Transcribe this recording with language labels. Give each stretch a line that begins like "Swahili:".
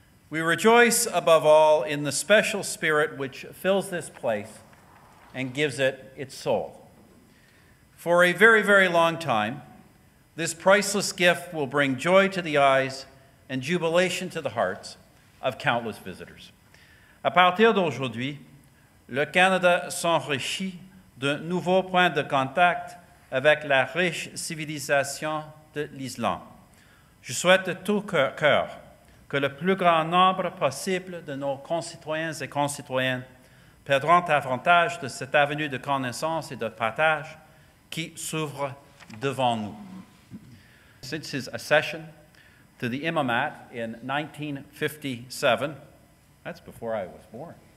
English: We rejoice above all in the special spirit which fills this place and gives it its soul. For a very, very long time, this priceless gift will bring joy to the eyes and jubilation to the hearts of countless visitors.
French: À partir d'aujourd'hui, le Canada s'enrichit de nouveaux points de contact avec la riche civilisation de l'Islande. Je souhaite de tout cœur que le plus grand nombre possible de nos concitoyens et concitoyennes perdront avantage de cette avenue de connaissance et de partage qui s'ouvre devant nous.
English: Since his accession to the imamate in 1957, that's before I was born.